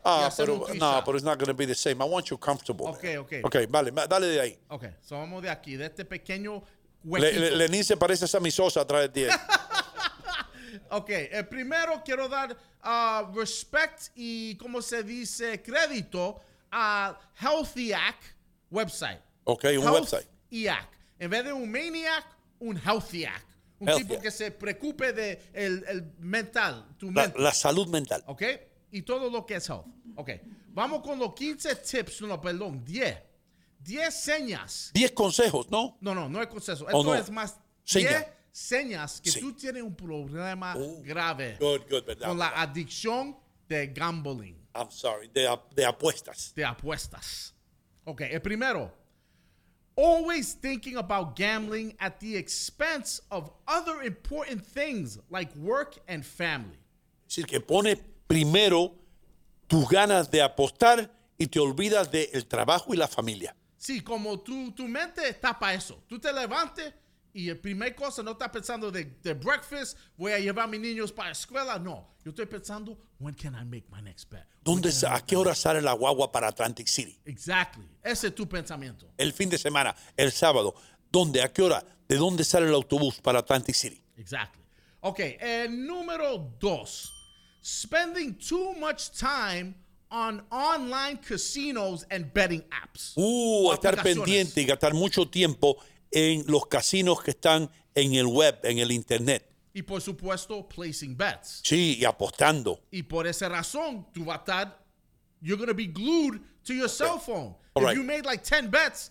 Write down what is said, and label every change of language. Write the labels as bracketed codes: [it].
[es] Ah, pero no, [en] it's not going to be the same. I want you comfortable. Okay. [es] Okay, vale, dale de ahí. [en] Okay, so [es] vamos de aquí, de este pequeño huequito. Lenín se parece a Sammy Sosa atrás de ti. Okay, primero quiero dar respect y, ¿cómo se dice?, crédito a HealthyAC website. Okay, un website. HealthyAC. En vez de un maniac, un HealthyAC. Un tipo que se preocupe de el mental, tu mente. La salud mental. Okay, y todo lo que es health. Okay, vamos con los 15 tips, no, perdón, 10. 10 señas. 10 consejos, ¿no? No es consejo. Esto no. Es más 10 señas que sí. Tú tienes un problema grave con la adicción de gambling. [en] I'm sorry, [es] de apuestas. De apuestas. Ok, el primero. [en] Always thinking about gambling at the expense of other important things like work and family. [es] Es decir, que pones primero tus ganas de apostar y te olvidas del trabajo y la familia. Sí, como tu mente está para eso. Tú te levantes. Y la primera cosa, no estás pensando de breakfast, voy a llevar a mis niños para la escuela. No, yo estoy pensando, [en] when can I make my next bet? [es] ¿A qué hora sale la guagua para Atlantic City? [en] Exactly. [es] Ese es tu pensamiento. El fin de semana, el sábado, ¿dónde, a qué hora, de dónde sale el autobús para Atlantic City? [en] Exactly. [es] Okay, número dos. [en] Spending too much time on online casinos and betting apps. [es] Estar pendiente y gastar mucho tiempo en los casinos que están en el web, en el internet. Y por supuesto, placing bets. Sí, y apostando. Y por esa razón, tú vas a estar, [en] you're going to be glued to your cell phone. All right. You made like 10 bets.